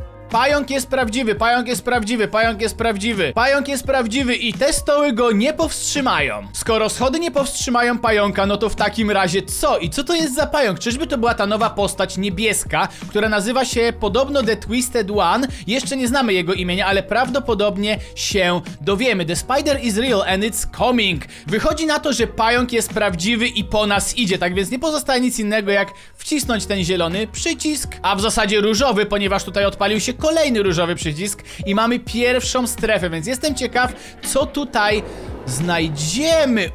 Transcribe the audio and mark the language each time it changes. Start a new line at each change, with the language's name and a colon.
Polish: Pająk jest prawdziwy, pająk jest prawdziwy, pająk jest prawdziwy, pająk jest prawdziwy i te stoły go nie powstrzymają. Skoro schody nie powstrzymają pająka, no to w takim razie co? I co to jest za pająk? Czyżby to była ta nowa postać niebieska, która nazywa się podobno The Twisted One? Jeszcze nie znamy jego imienia, ale prawdopodobnie się dowiemy.
English: The spider is real and it's coming.
Polish: Wychodzi na to, że pająk jest prawdziwy i po nas idzie, tak więc nie pozostaje nic innego jak wcisnąć ten zielony przycisk, a w zasadzie różowy, ponieważ tutaj odpalił się kolejny różowy przycisk i mamy pierwszą strefę, więc jestem ciekaw, co tutaj znajdziemy.